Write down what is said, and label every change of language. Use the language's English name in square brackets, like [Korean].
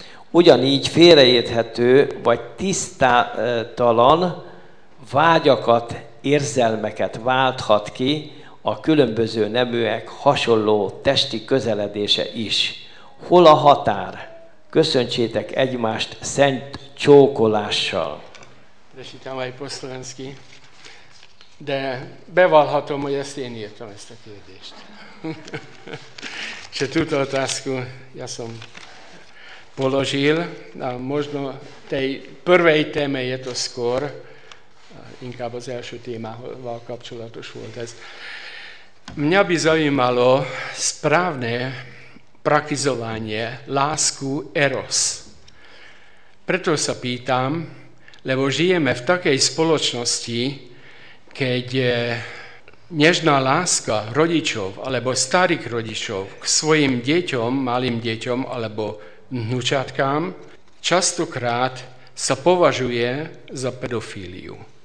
[Hungarian] Ugyanígy félreérthető vagy tisztátalan vágyakat, érzelmeket válthat ki a különböző neműek hasonló testi közeledése is. Hol a határ? Köszöntsétek egymást szent csókolással. [Slovak] Prečítam aj po slovensky. [Hungarian] De bevallhatom, hogy ezt én írtam ezt a kérdést. [Slovak] Čo túto otázku ja som položil, a možno tej prvej téme je to skôr, [Hungarian] inkább az első témával kapcsolatos volt ez. [Slovak] Mňa by zaujímalo správne praktizovanie lásku eros. Preto sa pýtam, lebo žijeme v takej spoločnosti, keď nežná láska rodičov alebo starých rodičov k svojim deťom, malým deťom alebo vnúčatkám častokrát sa považuje za pedofíliu.